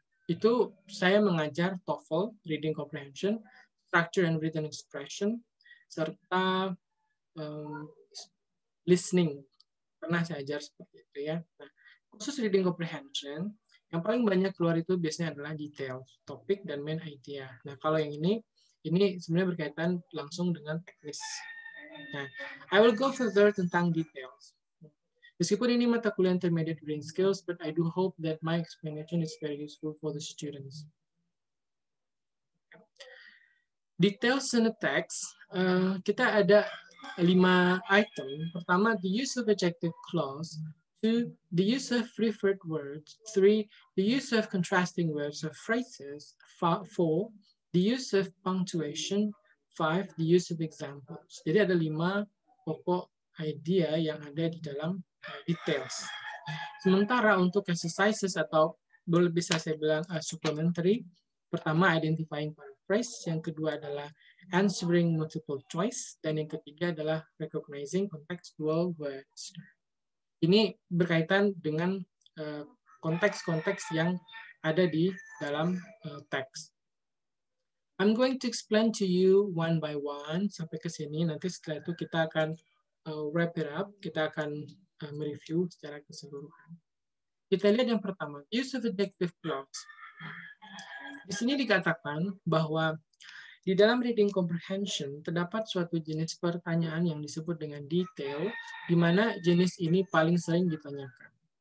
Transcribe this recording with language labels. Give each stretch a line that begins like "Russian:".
Indonesian: Itu saya mengajar TOEFL, Reading Comprehension, Structure and Written Expression, serta listening. Pernah saya ajar seperti itu ya. Nah, khusus Reading Comprehension, yang paling banyak keluar itu biasanya adalah detail, topik, dan main idea. Nah, kalau yang ini sebenarnya berkaitan langsung dengan teknis.
English: Nah, I will go further
Indonesian: tentang
English: details.
Indonesian: Meskipun ini mata kuliah
English: intermediate reading skills, but I do hope that my explanation is very useful for the students. Details in the text,
Indonesian: kita ada 5 item.
English: Pertama, the use of adjective clause. 2, the use of referred words. 3, the use of contrasting words or phrases. 4, the use of punctuation.
Indonesian: 5,
English: the use of examples.
Indonesian: Jadi ada 5 pokok idea yang ada di dalam details. Sementara untuk exercises atau boleh bisa saya bilang supplementary, pertama
English: identifying paraphrase,
Indonesian: yang kedua adalah
English: answering multiple choice,
Indonesian: dan yang ketiga adalah
English: recognizing contextual words.
Indonesian: Ini berkaitan dengan konteks-konteks yang ada di dalam teks.
English: I'm going to explain to you one by one
Indonesian: sampai ke sini. Nanti setelah itu kita akan
English: wrap it up.
Indonesian: Kita akan mereview secara keseluruhan. Kita lihat yang pertama,
English: use of adjective clause.
Indonesian: Di sini dikatakan bahwa di dalam reading comprehension terdapat suatu jenis pertanyaan yang disebut dengan detail, di mana jenis ini paling sering ditanyakan.